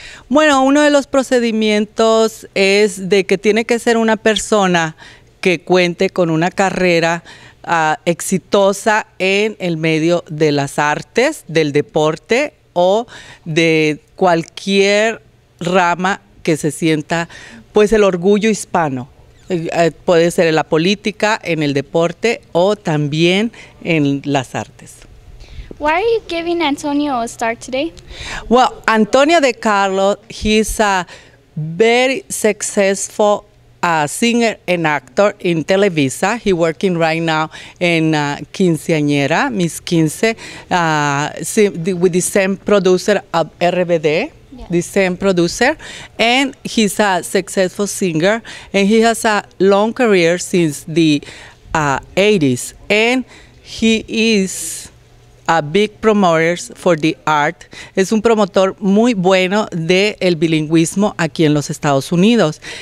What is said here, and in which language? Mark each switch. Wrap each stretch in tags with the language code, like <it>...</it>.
<es>Bueno, uno de los procedimientos es de que tiene que ser una persona que cuente con una carrera exitosa en el medio de las artes, del deporte o de cualquier rama que se sienta, pues, el orgullo hispano. Puede ser en la política, en el deporte o también en las artes.</es> <en>Why are you giving Antonio a star today? Well, Antonio De Carlo, he's a very successful singer and actor in Televisa. He's working right now in Quinceañera, Miss Quince, with the same producer of RBD. The same producer, and he's a successful singer, and he has a long career since the 80s, and he is a big promoter for the art.</en> <es>Es un promotor muy bueno del bilingüismo aquí en los Estados Unidos.</es>